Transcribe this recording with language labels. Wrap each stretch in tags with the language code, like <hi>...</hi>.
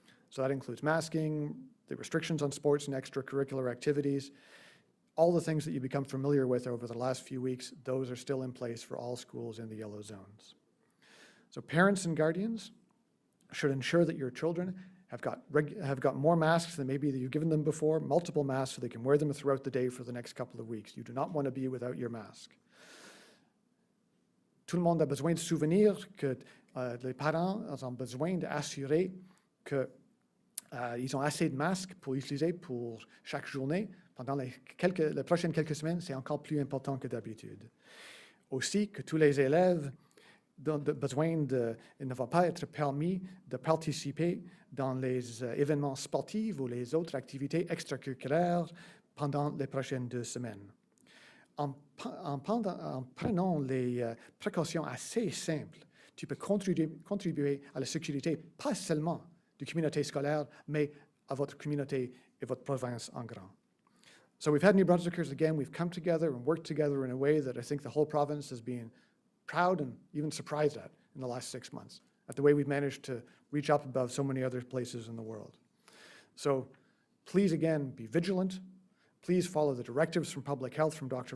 <en>So that includes masking, the restrictions on sports and extracurricular activities, all the things that you become familiar with over the last few weeks, those are still in place for all schools in the yellow zones. So parents and guardians should ensure that your children have got more masks than maybe you've given them before, multiple masks so they can wear them throughout the day for the next couple of weeks. You do not want to be without your mask.</en> <fr>Tout le monde a besoin de souvenir que les parents ont besoin d'assurer qu'ils ont assez de masques pour utiliser pour chaque journée. Pendant les prochaines quelques semaines, c'est encore plus important que d'habitude. Aussi, que tous les élèves ne vont pas être permis de participer dans les événements sportifs ou les autres activités extracurriculaires pendant les prochaines 2 semaines. En prenant les précautions assez simples, tu peux contribuer à la sécurité, pas seulement du communauté scolaire, mais à votre communauté et votre province en grand.</fr> <en>So we've had New Brunswickers again, we've come together and worked together in a way that I think the whole province has been proud and even surprised at in the last 6 months, at the way we've managed to reach up above so many other places in the world. So please again, be vigilant. Please follow the directives from public health from Dr.</en>